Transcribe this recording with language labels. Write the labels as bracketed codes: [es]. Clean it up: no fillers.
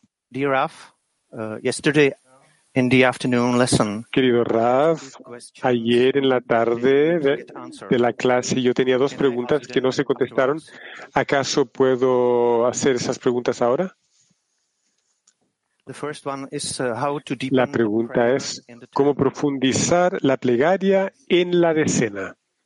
[en] Dear Raf, yesterday in the afternoon lesson. [es] Querido Raf, ayer en la tarde de la clase yo tenía dos preguntas que no se contestaron. ¿Acaso puedo hacer esas preguntas ahora? [en] The first one is, how to deepen. [es] La pregunta es cómo profundizar la plegaria en la decena.